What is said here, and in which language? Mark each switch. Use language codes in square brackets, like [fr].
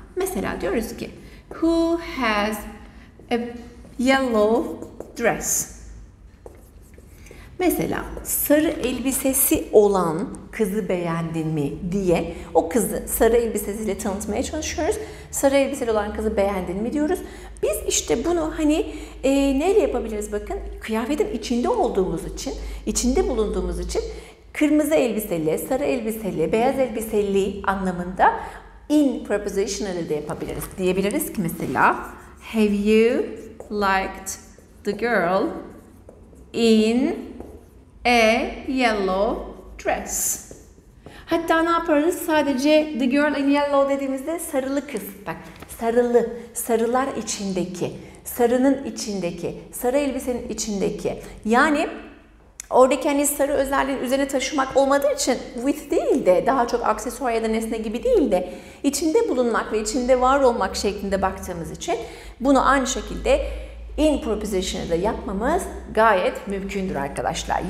[tr] Mesela diyoruz ki [en] who has a yellow dress? [tr] Mesela sarı elbisesi olan kızı beğendin mi diye o kızı sarı elbisesiyle tanıtmaya çalışıyoruz. Sarı elbiseli olan kızı beğendin mi diyoruz. Biz işte bunu hani neyle yapabiliriz bakın. Kıyafetin içinde olduğumuz için, içinde bulunduğumuz için kırmızı elbiseli, sarı elbiseli, beyaz elbiseli anlamında in prepositionally de yapabiliriz. Diyebiliriz ki mesela [en] have you liked the girl in a yellow dress. [tr] Hatta ne yaparız? Sadece [en] the girl in yellow [tr] dediğimizde sarılı kız. Bak, sarılı, sarılar içindeki, sarının içindeki, sarı elbisenin içindeki. Yani oradaki hani sarı özelliğin üzerine taşımak olmadığı için with değil de daha çok aksesuar ya da nesne gibi değil de içinde bulunmak ve içinde var olmak şeklinde baktığımız için bunu aynı şekilde in preposition'ı da yapmamız gayet mümkündür arkadaşlar.